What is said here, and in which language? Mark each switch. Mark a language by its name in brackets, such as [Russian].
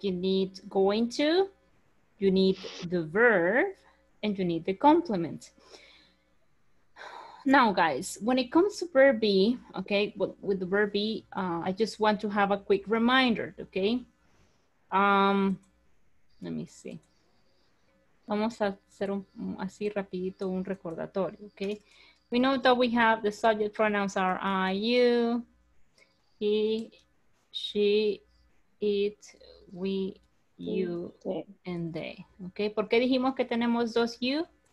[English] You need going to, you need the verb, and you need the complement. Now, guys, when it comes to verb be, okay, with the verb be, I just want to have a quick reminder, okay? Let me see. [Spanish] Vamos a hacer así rapidito un recordatorio, okay? [English] We know that we have the subject pronouns are I, you, he, she, it, we, you, okay, and they, okay? [Spanish] ¿Por qué dijimos que tenemos dos you?